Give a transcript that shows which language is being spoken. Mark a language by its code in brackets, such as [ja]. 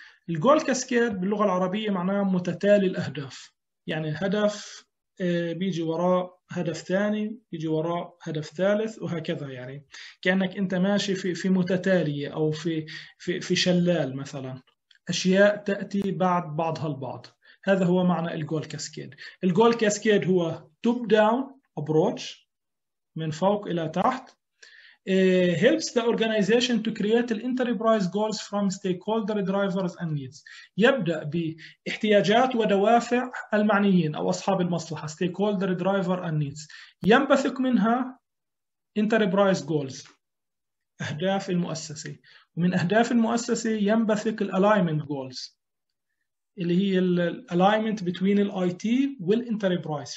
[ar] goal cascade باللغة العربية معناه متتالي الأهداف، يعني هدف بيجي وراء هدف ثاني، يجي وراء هدف ثالث، وهكذا، يعني كأنك أنت ماشي في متتالية أو في شلال مثلا، أشياء تأتي بعد بعضها البعض. هذا هو معنى الجول كاسكيد. الجول كاسكيد هو توب داون أبروتش، من فوق إلى تحت. [en] helps the organization to create enterprise goals from stakeholder drivers and needs. [ar] يبدأ باحتياجات ودوافع المعنيين أو أصحاب المصلحة [en] stakeholder driver and needs. [ar] ينبثق منها [en] enterprise goals، [ar] أهداف المؤسسة، ومن أهداف المؤسسة ينبثق [en] alignment goals، [ar] اللي هي [en] alignment between IT [ar] والenterprise.